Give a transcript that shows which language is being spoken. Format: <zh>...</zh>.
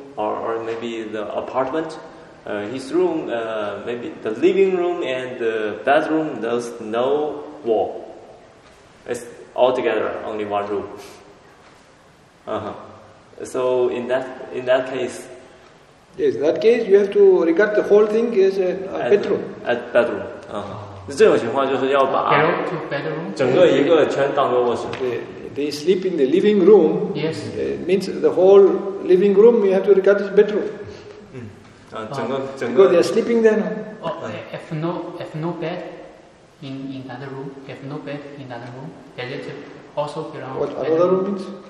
<en>or maybe the apartment. His room, maybe the living room and the bedroom, there's no wall. It's all together, only one room. So in that case, yes, in that case, you have to regard the whole thing as a bedroom. As bedroom.</en> <zh>这种情况就是要把整个一个全当作卧室。</zh> <en>They sleep in the living room. Yes. Means the whole living room you have to regard as bedroom.</en> <zh>整个整个。</zh> <en>Because they are sleeping there. If no bed in another room, if no bed in another room, does it also belong? What another room means?</en>